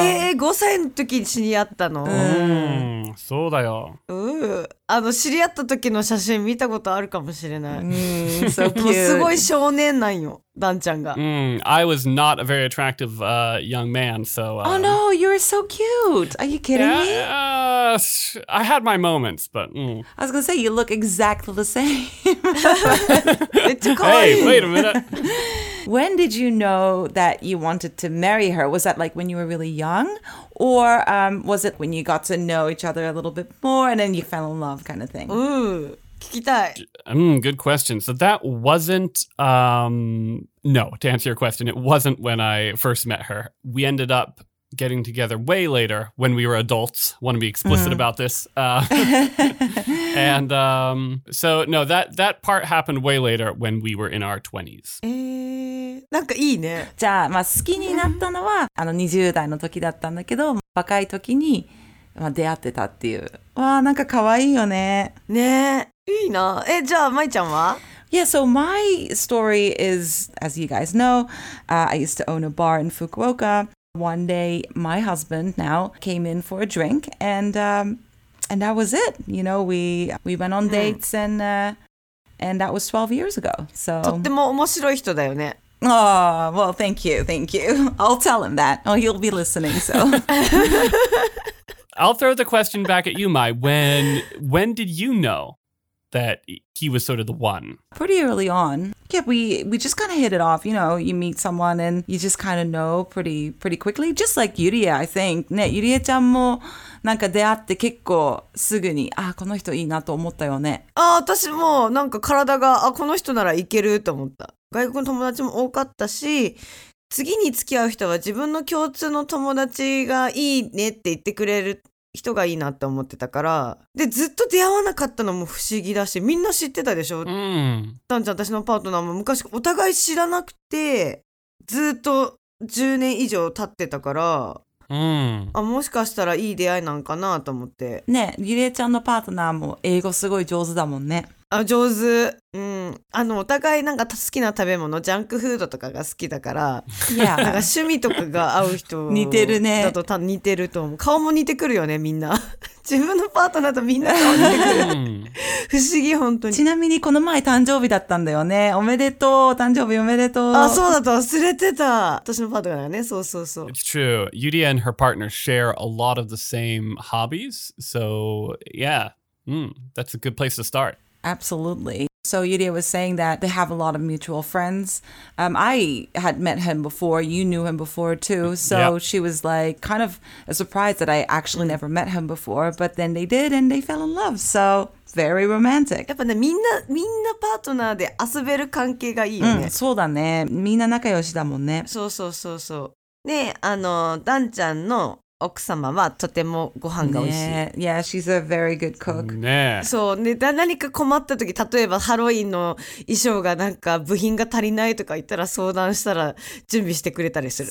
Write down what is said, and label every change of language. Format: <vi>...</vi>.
<ja>え、5歳の時に知り合ったの? そうだよ。知り合った時の写真見たことあるかもしれない。</ja> <en>So cute.</en> <ja>もうすごい少年なんよ、ダンちゃんが。</ja> <en>I was not a very attractive young man, so... Oh no, you were so cute! Are you kidding me? I had my moments, but... I was gonna say, you look exactly the same. It's cool. Hey, wait a minute. When did you know that you wanted to marry her? Was that like when you were really young? Or was it when you got to know each other a little bit more and then you fell in love kind of thing?</en> <ja>Ooh, 聞きたい。</ja> <en>Good question. So that wasn't, no, to answer your question, it wasn't when I first met her. We ended up getting together way later when we were adults. Want to be explicit about this. that part happened way later when we were in our 20s.</en> <ja>なんかいいね。じゃあ、まあ、好きになったのは、20代の時だったんだけど、若い時に、まあ、出会ってたっていう。わあ、なんか可愛いよね。ねえ。いいな。え、じゃあ、まいちゃんは?</ja> <en>Yeah, so my story is, as you guys know, I used to own a bar in Fukuoka. One day, my husband now came in for a drink, and that was it. You know, we went on dates, and that was 12 years ago. So,</en> <ja>とっても面白い人だよね。</ja> <en>Oh, well, thank you. Thank you. I'll tell him that. Oh, he'll be listening, so. I'll throw the question back at you, Mai. When did you know that he was sort of the one? Pretty early on. Yeah, we just kind of hit it off. You know, you meet someone and you just kind of know pretty quickly. Just like Yuria, I think.</en> <ja>ね、ゆりえちゃんもなんか出会って結構すぐに、あ、この人いいなと思ったよね。あ、私もなんか体が、あ、この人ならいけると思った。外国の友達も多かったし、次に付き合う人は自分の共通の友達がいいねって言ってくれる人がいいなって思ってたから、で、ずっと出会わなかったのも不思議だし、みんな知ってたでしょ? たんちゃん、私のパートナーも昔お互い知らなくて、ずっと10年以上経ってたから、あ、もしかしたらいい出会いなんかなと思って。ねえ、リレーちゃんのパートナーも英語すごい上手だもんね。あ、上手。お互いなんか好きな食べ物、ジャンクフードとかが好きだから、</ja> <en>yeah.</en> <ja>なんか趣味とかが合う人似てるね。だと似てると思う。顔も似てくるよね、みんな。自分のパートナーとみんな顔似てくる。不思議、本当に。ちなみにこの前誕生日だったんだよね。おめでとう、誕生日おめでとう。あ、そうだと忘れてた。私のパートナーだね、そうそうそう。</ja> <en>It's true. Yuria and her partner share a lot of the same hobbies. So, yeah. That's a good place to start. Absolutely. So Yuria was saying that they have a lot of mutual friends. I had met him before. You knew him before too. So yep. She was like kind of a surprise that I actually never met him before. But then they did and they fell in love. So very romantic.</en> <ja>やっぱね、みんなパートナーで遊べる関係がいいよね。そうだね。みんな仲良しだもんね。そうそうそうそう。ね、ダンちゃんの奥様はとてもご飯が美味しい。ね、</ja> <en>yeah, she's a very good cook.</en> <ja>ね。そう、ね、何か困った時、例えばハロウィンの衣装がなんか部品が足りないとか言ったら相談したら準備してくれたりする。</ja>